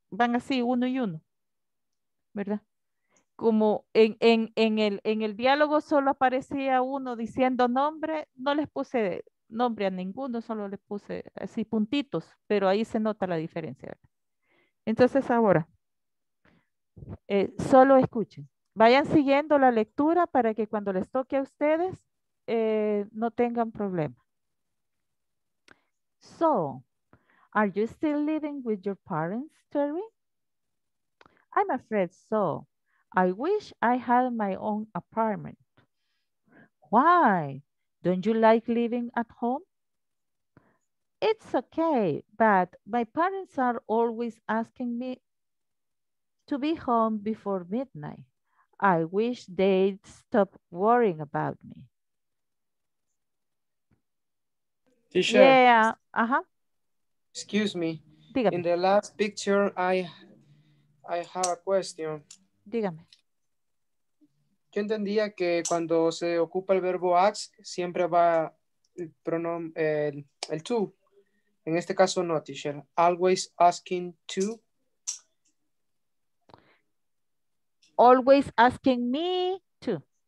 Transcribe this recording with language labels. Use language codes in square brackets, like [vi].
[es] Van así, uno y uno, ¿verdad? Como en el diálogo solo aparecía uno diciendo nombre, no les puse nombre a ninguno, solo les puse así puntitos, pero ahí se nota la diferencia, ¿verdad? Entonces ahora, solo escuchen. Vayan siguiendo la lectura para que cuando les toque a ustedes no tengan problema. [en] So, are you still living with your parents, Terry? I'm afraid so. I wish I had my own apartment. Why? Don't you like living at home? It's okay, but my parents are always asking me to be home before midnight. I wish they'd stop worrying about me. T-shirt. Yeah, uh-huh. Excuse me. [es] Dígame. [en] In the last picture, I have a question. [es] Dígame. Yo entendía que cuando se ocupa el verbo ask, siempre va el pronombre, el to. En este caso, no, teacher. [en] Always asking to. Always asking me to.